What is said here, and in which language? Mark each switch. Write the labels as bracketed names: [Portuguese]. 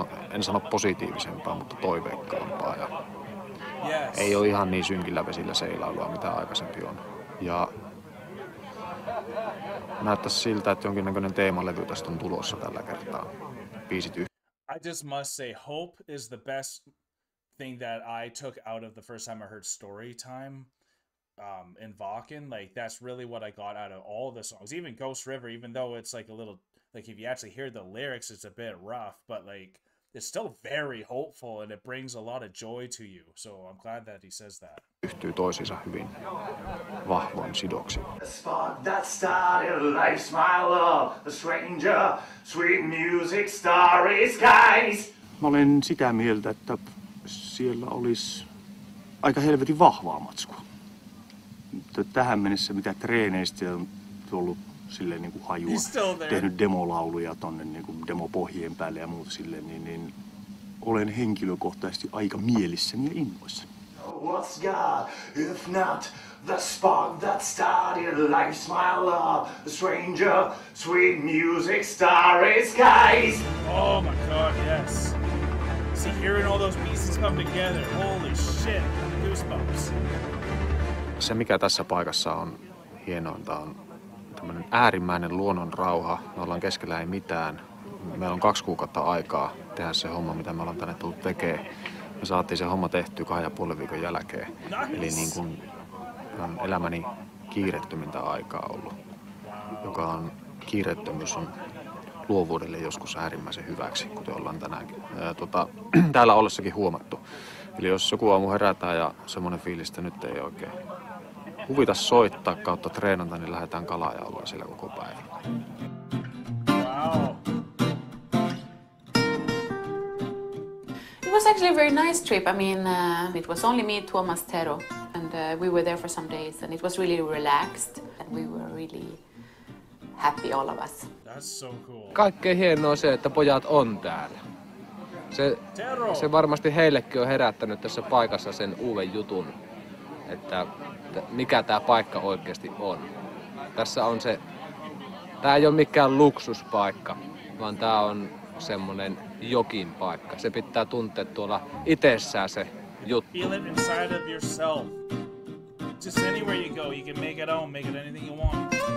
[Finnish] En sano positiivisempaa, mutta toiveikkaampaa. Ja ei ole ihan niin synkillä vesillä seilailua, mitä aikaisempi on. Ja näyttäisi siltä, että jonkinnäköinen teemalevy tästä on tulossa tällä kertaa. Biisit [English] I just must say, hope is the best thing that I took out of the first time I heard Story Time in Vakin. Like, that's really what I got out of all the songs. Even Ghost River, even though it's like a little, like if you actually hear the lyrics, it's a bit rough, but like, it's still very hopeful and it brings a lot of joy to you. So I'm glad that he says that. [Finnish] Yhtyy toisiinsa hyvin vahvoin sidoksiin. [English] The spot that started life's my love, the stranger, sweet music, starry skies. [Finnish] Mä olen sitä mieltä, että siellä olisi aika helvetin vahvaa matskua. Mutta tähän mennessä, mitä treeneistä on tullut silleen niinku hajua, tehnyt demolauluja tonne niinku demopohjien päälle ja muuta silleen, niin olen henkilökohtaisesti aika mielissäni ja innoissani. [English] What's God if not the spark that started life's my love, the stranger, sweet music, starry skies. Oh my God, yes. See, hearing all those pieces come together, holy shit, goosebumps. [Finnish] Se mikä tässä paikassa on hienointa on tämmöinen äärimmäinen luonnon rauha. Me ollaan keskellä ei mitään. Meillä on 2 kuukautta aikaa tehdä se homma, mitä me ollaan tänne tullut tekemään. Me saatiin se homma tehtyä 2,5 viikon jälkeen. Nice. Eli niin kuin on elämäni kiirettömintä aikaa ollut. Joka on kiirettömyys on luovuudelle joskus äärimmäisen hyväksi, kuten ollaan tänäänkin täällä ollessakin huomattu. Eli jos joku aamu herätään ja semmoinen fiilis, että nyt ei oikein huvita soittaa kautta treenata, niin lähdetään kalaan ja ollaan siellä koko päivä. [English] It was actually a very nice trip. I mean, it was only me, Tuomas, Tero, and we were there for some days, and it was really relaxed, and we were really happy, all of us. That's so cool. [Finnish] Kaikkein hienoa on se, että pojat on täällä. Se varmasti heillekin on herättänyt tässä paikassa sen uuden jutun, että mikä tämä paikka oikeasti on. Tässä on se, tämä ei ole mikään luksuspaikka, vaan tämä on semmoinen jokin paikka. Se pitää tuntea tuolla itsessään se juttu. [English] Feel it inside of yourself. Just anywhere you go, you can make it own, make it anything you want.